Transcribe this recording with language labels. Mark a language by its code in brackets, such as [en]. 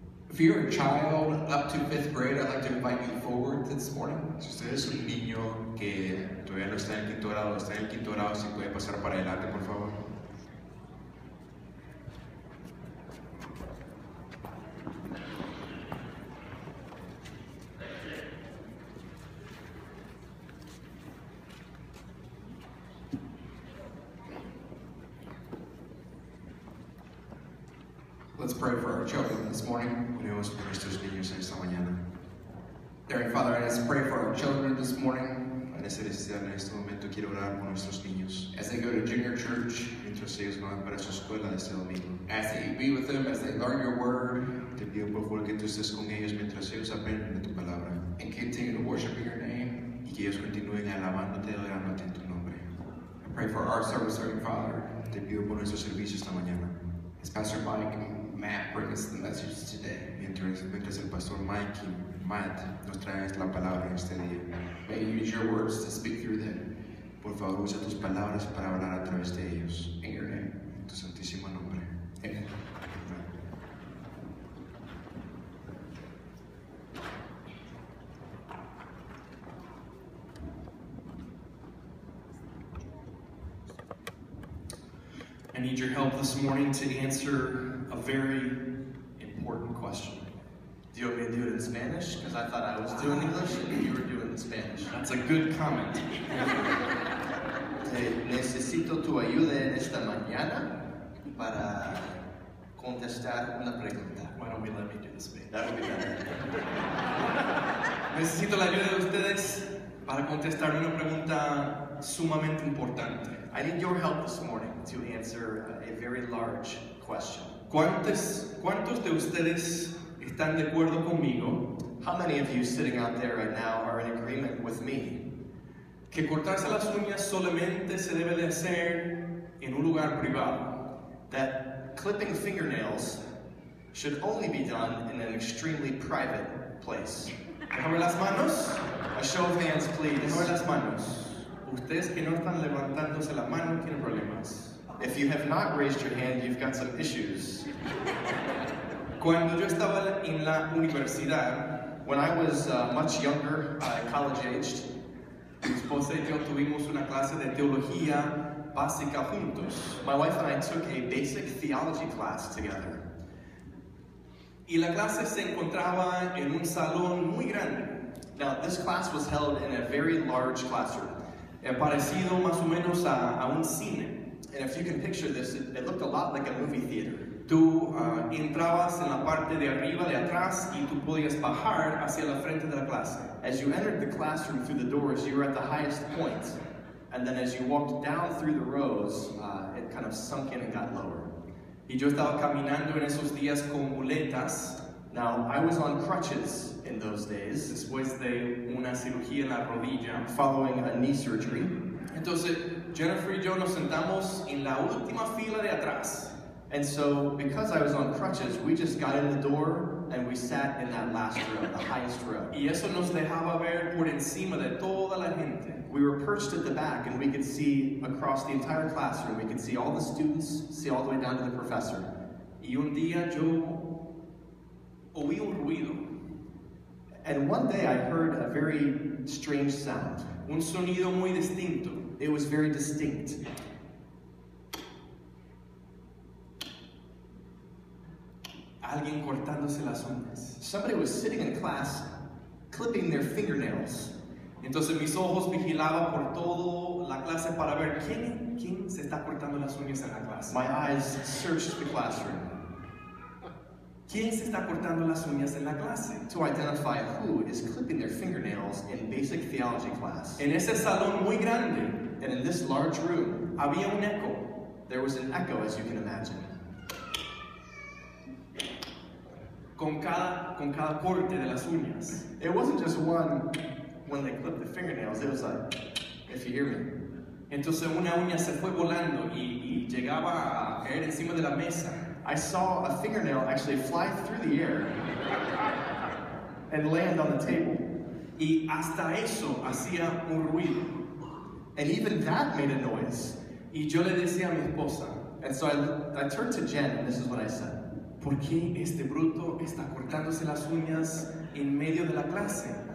[en] If you're a child up to fifth grade, I'd like to invite you forward this morning. [es] Si usted es un niño que todavía no está en quinto grado, está en el quinto grado, si puede pasar para adelante, por favor. [en] Let's pray for our children this morning. [es] Oremos por nuestros niños esta mañana. [en] Dear Father, I just pray for our children this morning. [es] En este momento quiero orar por nuestros niños. [en] As they go to junior church. [es] Mientras ellos van para su escuela este domingo. [en] As they be with them, as they learn your word. [es] Te pido por favor que tú estés con ellos mientras ellos aprenden de tu palabra. [en] And continue to worship your name. [es] Y que ellos continúen alabándote y adorándote en tu nombre. [en] I pray for our service, Dear Father. [es] Te pido por nuestro servicio esta mañana. [en] As Pastor Mike and Matt bring us the message today. [es] Mientras el Pastor Mike y Matt nos traen la palabra este día. [en] May you use your words to speak through them. [es] Por favor, usa tus palabras para hablar a través de ellos. [en] In your name. [es] En tu santísimo nombre. [en] Amen. I need your help this morning to answer a very important question. Do you want me to do it in Spanish? Because I thought I was doing English and you were doing it in Spanish. That's a good comment. [es] Necesito tu ayuda en esta mañana para contestar una pregunta. [en] Why don't we let me do the Spanish? That would be better. [es] Necesito la ayuda de ustedes para contestar una pregunta sumamente importante. [en] I need your help this morning to answer a very large question. [es] ¿Cuántos de ustedes están de acuerdo conmigo? [en] How many of you sitting out there right now are in agreement with me? [es] Que cortarse las uñas solamente se debe de hacer en un lugar privado. [en] That clipping fingernails should only be done in an extremely private place. [es] Déjame las manos. [en] A show of hands, please. [es] Déjame las manos. Ustedes que no están levantándose la mano tienen problemas. [en] If you have not raised your hand, you've got some issues. [es] Cuando yo estaba en la universidad, [en] when I was much younger, college aged, [es] mi esposa y yo tuvimos una clase de teología básica juntos. [en] My wife and I took a basic theology class together. [es] Y la clase se encontraba en un salón muy grande. [en] Now, this class was held in a very large classroom. [es] Parecido más o menos a un cine. [en] And if you can picture this, it looked a lot like a movie theater. [es] Tú entrabas en la parte de arriba, de atrás, y tú podías bajar hacia la frente de la clase. [en] As you entered the classroom through the doors, you were at the highest point. And then as you walked down through the rows, it kind of sunk in and got lower. [es] Y yo estaba caminando en esos días con muletas. [en] Now, I was on crutches in those days. [es] Después de una cirugía en la rodilla. [en] Following a knee surgery. [es] Entonces, Jennifer y yo nos sentamos en la última fila de atrás. [en] And so, because I was on crutches, we just got in the door and we sat in that last row, the highest row. [es] Y eso nos dejaba ver por encima de toda la gente. [en] We were perched at the back and we could see across the entire classroom. We could see all the students, see all the way down to the professor. [es] Y un día yo oí un ruido. [en] And one day I heard a very strange sound. [es] Un sonido muy distinto. [en] It was very distinct. [es] Alguien cortándose las uñas. [en] Somebody was sitting in class, clipping their fingernails. [es] Entonces mis ojos vigilaban por todo la clase para ver quién se está cortando las uñas en la clase. [en] My eyes searched the classroom. [es] ¿Quién se está cortando las uñas en la clase? [en] To identify who is clipping their fingernails in basic theology class. [es] En ese salón muy grande. [en] And in this large room. [es] Había un eco. [en] There was an echo, as you can imagine. [es] Con cada corte de las uñas. [en] It wasn't just one when they clipped the fingernails. It was like, if you hear me. [es] Entonces una uña se fue volando y llegaba a caer encima de la mesa. [en] I saw a fingernail actually fly through the air and land on the table. [es] Y hasta eso hacía un ruido. [en] And even that made a noise. [es] Y yo le decía a mi esposa. [en] And so I turned to Jen, and this is what I said. [es] ¿Por qué este bruto está cortándose las uñas en medio de la clase?